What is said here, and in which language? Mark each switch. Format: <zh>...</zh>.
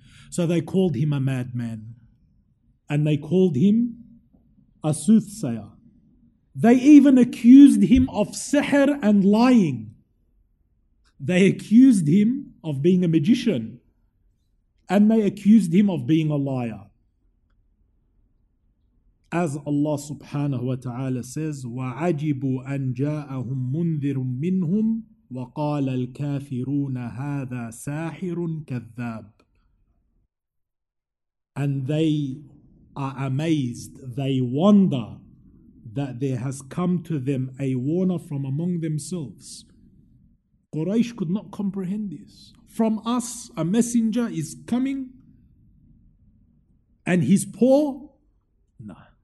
<en>So they called him a madman, and they called him a soothsayer. They even accused him of sihr and lying. They accused him of being a magician, and they accused him of being a liar. As Allah subhanahu wa ta'ala says,</en> <ar>وَعَجِبُوا أَن جَاءَهُم مُنذِرٌ مِّنْهُمْ وَقَالَ الْكَافِرُونَ هَذَا سَاحِرٌ كَذَّابٌ.</ar> <en>And they are amazed, they wonder that there has come to them a warner from among themselves. Quraysh could not comprehend this. From us, a messenger is coming and he's poor? No.</en>